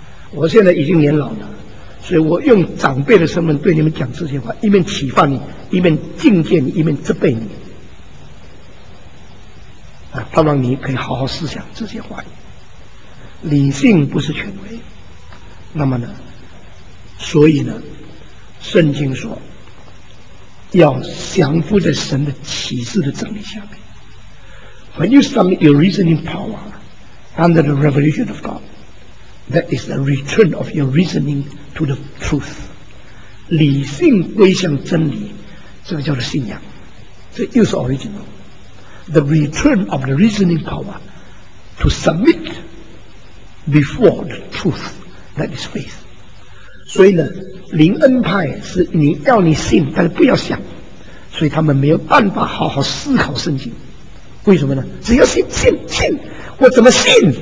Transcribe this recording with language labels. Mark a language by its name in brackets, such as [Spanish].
[Chinese] 我现在已经年老了，所以我用长辈的身份对你们讲这些话，一面启发你，一面敬戒你，一面责备你啊，盼望你可以好好思想这些话。理性不是权威。那么呢，所以呢，圣经说要降服在神的启示的真理下面。 [English] When you submit your reasoning power under the revelation of God, that is the return of your reasoning to the truth. [Chinese] 理性归向真理，这个叫做信仰，这又是 original. [English] The return of the reasoning power to submit before the truthThat is faith. [Chinese] 所以呢，灵恩派是你要你信，但是不要想，所以他们没有办法好好思考圣经。为什么呢？只要信信信，我怎么信？